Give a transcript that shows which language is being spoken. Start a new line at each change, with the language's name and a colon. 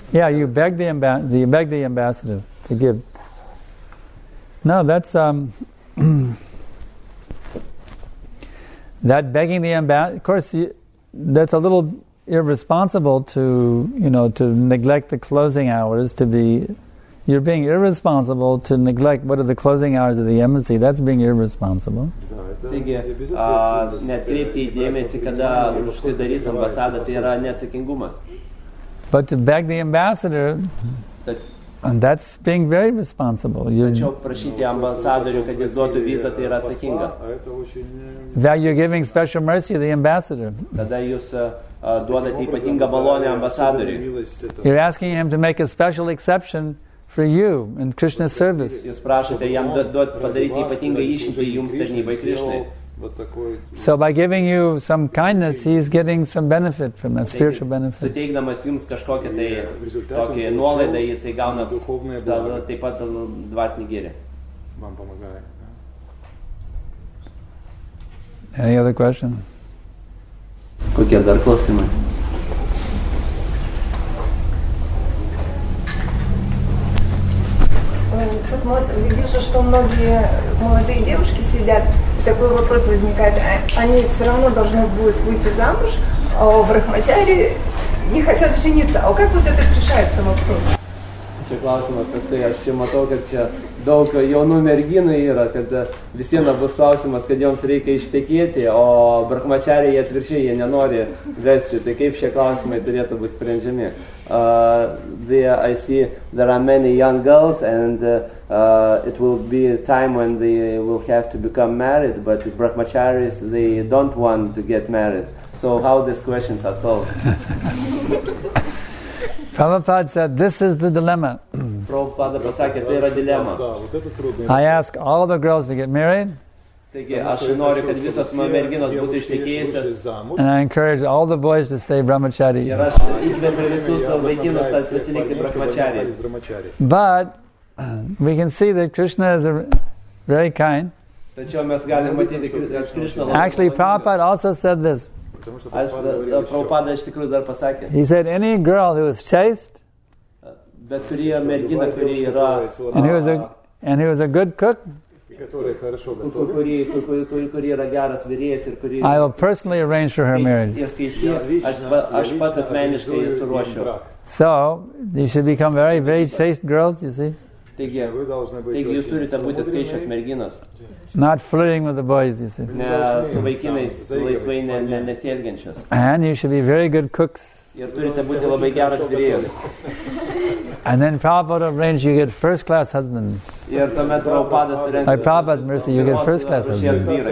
English: Yeah, you begged the ambassador to give. No, that's that begging the ambassador. Of course, that's a little irresponsible to, you know, to neglect the closing hours to be. You're being irresponsible to neglect what are the closing hours of the embassy. That's being irresponsible.
Lithuanian: Taigi, neatkreipti į dėmesį, kada užsidarys ambasada, tai yra neatsakingumas.
English: But to beg the ambassador, and that's being very responsible.
Lithuanian: Tačiau prašyti ambasadorių, kad jis duotų vizą, tai yra atsakinga.
English: That you're giving special mercy to the ambassador.
Lithuanian: Tada jūs duodate ypatingą malonę ambasadoriui.
English: You're asking him to make a special exception for you in Krishna's service.
Lithuanian: Jūs prašote jam padaryti ypatingą išimtį jums tarnybai Krishnai.
English: So by giving you some kindness, he's getting some benefit from that, spiritual benefit.
Lithuanian: Suteikdamas jums kažkokią tai tokį nuolaidą, jisai gauna taip pat dvasinį gėrį. Man pomagai.
English: Any other question?
Lithuanian: Kokie dar klausimai?
Russian: Тут видишь, что многие молодые девушки сидят, и такой вопрос возникает. Они все равно должны будут выйти замуж, а у брахмачари не хотят жениться. А как вот это решается вопрос?
Lithuanian: Čia klausimas toksai, aš čia matau, kad čia daug jaunų merginų yra, kad visiems bus klausimas, kad joms reikia ištekėti, o brahmačariai jie atviršiai, jie nenori vesti. Tai kaip šie klausimai turėtų būti sprendžiami?
English: I see there are many young girls and it will be a time when they will have to become married, but the brahmacharis, they don't want to get married. So how these questions are solved? Prabhupada said, this is the dilemma.
Lithuanian: Prabhupada pasakė, tai yra dilema.
English: I ask all the girls to get married.
Lithuanian: Taigi, aš noriu, kad visos mano merginos būtų ištekėjusios.
English: And I encourage all the boys to stay brahmachari.
Lithuanian: Ir aš įkvėpiu visus vaikinus pasilikti brahmachari.
English: But we can see that Krishna is very kind.
Lithuanian: Tačiau mes galime matyti, kad Krishna labai.
English: Actually, Prabhupada also said this.
Lithuanian: Prabhupada iš tikrųjų dar pasakė.
English: He said any girl who is chaste,
Lithuanian: bet kuri mergina, kuri yra,
English: and who is a good cook,
Lithuanian: kuri yra geras virėjas ir kuri.
English: I will personally arrange for her marriage.
Lithuanian: Aš pats asmeniškai suruošiu.
English: So you should become very, very chaste girls. You see.
Lithuanian: Taigi jūs turite būti skaičios merginos.
English: Not flirting with the boys, you see.
Lithuanian: Ne, su vaikinais laisvai nesielgiančios.
English: And you should be very good cooks.
Lithuanian: Ir turite būti labai geras virėjas.
English: And then Prabhupada arranged, you get first class husbands.
Lithuanian: Ir tuomet Prabhupada surengė.
English: By Prabhupada's mercy, you get first class husbands.